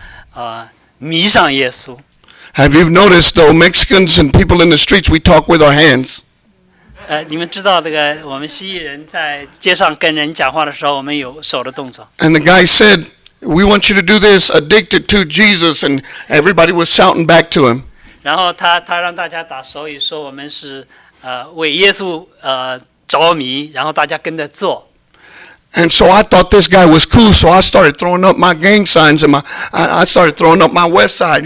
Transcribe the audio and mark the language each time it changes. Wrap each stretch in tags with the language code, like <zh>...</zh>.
<zh>然后他开始唱歌，他有点像那个rap这样的声。他在讲耶稣，他这个唱歌的上讲要迷上�esu。</zh> <en>Have you noticed, though, Mexicans and people in the streets, we talk with our hands.</en> <zh>你们知道这个我们西裔人在街上跟人讲话的时候，我们有手的动作。</zh> <en>And the guy said, we want you to do this, addicted to Jesus, and everybody was shouting back to him.</en> <zh>然后他让大家打手语，说我们是为耶稣着迷，然后大家跟着做。</zh> <en>And so I thought this guy was cool, so I started throwing up my gang signs and I started throwing up my West Side.</en>